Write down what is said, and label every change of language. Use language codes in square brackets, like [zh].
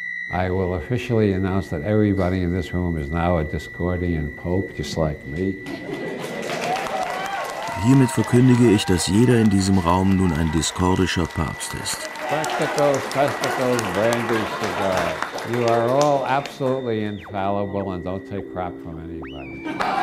[en] I will officially announce that everybody in this room is now a Discordian Pope, just like me. [de] Hiermit verkündige ich, dass jeder in diesem Raum nun ein diskordischer Papst ist. [en] Testicles, testicles, brandy, cigar. You are all absolutely infallible and don't take crap from anybody.